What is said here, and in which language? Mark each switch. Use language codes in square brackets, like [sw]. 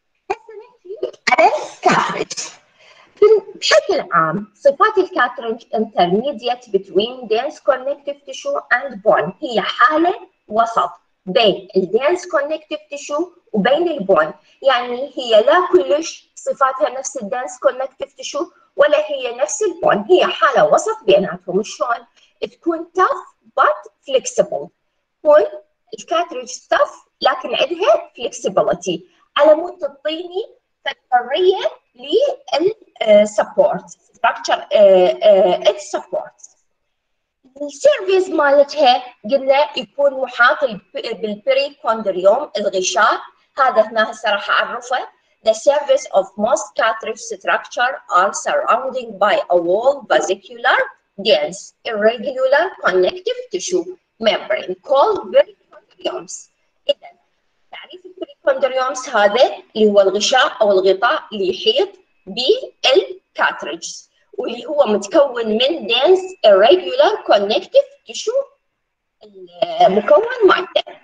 [ar] هسه نجي على الكارتريج. بشكل عام صفات الكارتريج [en] intermediate between dense connective tissue and bone [ar] هي حالة وسط بين ال dense connective tissue وبين البون، يعني هي لا كلش صفاتها نفس ال dense connective tissue ولا هي نفس البون، هي حالة وسط بيناتهم. شلون؟ تكون [en] tough but flexible. [ar] تكون الكاتريج tough لكن عندها flexibility على مود تعطيني فرية لل [en] support structure its support. [ar] السيرفيس مالتها قلنا يكون محاط بالبيريكوندريوم الغشاء، هذا هنا هسه راح اعرفه. [en] The surface of most cartilage structure are surrounding by a wall vesicular dense irregular connective tissue membrane called pericondriomes. [ar] إذا تعريف pericondriomes هذا اللي هو الغشاء أو الغطاء اللي يحيط بالcartilage واللي هو متكون من [en] dense irregular connective tissue [ar] المكون مالته.